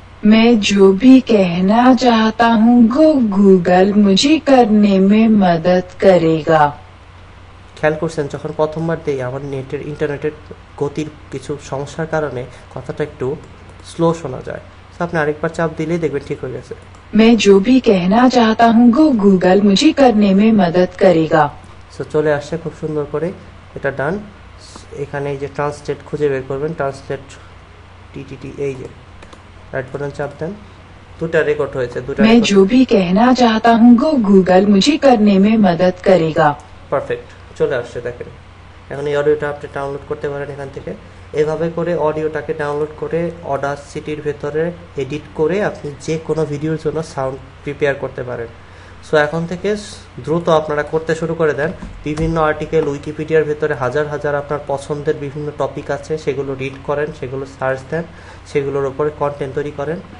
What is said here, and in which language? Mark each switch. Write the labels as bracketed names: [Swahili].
[Hindi] মে জো V কেহনা Chahta হুঁ গো Google মুঝে করনে মে মদদ করেগা। [Bangla] খেয়াল করছেন যখন প্রথমবার দিই আমার নেটের ইন্টারনেটের গতির কিছু সমস্যার কারণে কথাটা একটু স্লো শোনা যায়। আপনি আরেকবার চাপ দিলেই দেখবেন ঠিক হয়ে গেছে। [Hindi] मैं जो भी कहना चाहता हूँ वो गूगल मुझे करने में मदद करेगा। [Bangla] सो चले আসছে খুব সুন্দর করে, এটা ডান। এখানে এই যে ট্রান্সলেট খুঁজে বের করবেন, ট্রান্সলেট টিটিটি, এই যে রাইট বাটন চাপ দেন, দুটো রেকর্ড হয়েছে, দুটো। [Hindi] मैं जो भी कहना चाहता हूँ वो गूगल मुझे करने में मदद करेगा। [Bangla] পারফেক্ট, চলে আসছে দেখেন। এখন এই অডিওটা আপনি ডাউনলোড করতে পারেন এখান থেকে। এভাবে করে অডিওটাকে ডাউনলোড করে অডার সিটির ভেতরে এডিট করে আপনি যে কোনো ভিডিওর জন্য সাউন্ড প্রিপেয়ার করতে পারেন। সো এখন থেকে দ্রুত আপনারা করতে শুরু করে দেন। বিভিন্ন আর্টিকেল উইকিপিডিয়ার ভেতরে হাজার হাজার আপনার পছন্দের বিভিন্ন টপিক আছে, সেগুলো রিড করেন, সেগুলো সার্চ দেন, সেগুলোর উপরে কন্টেন্ট তৈরি করেন।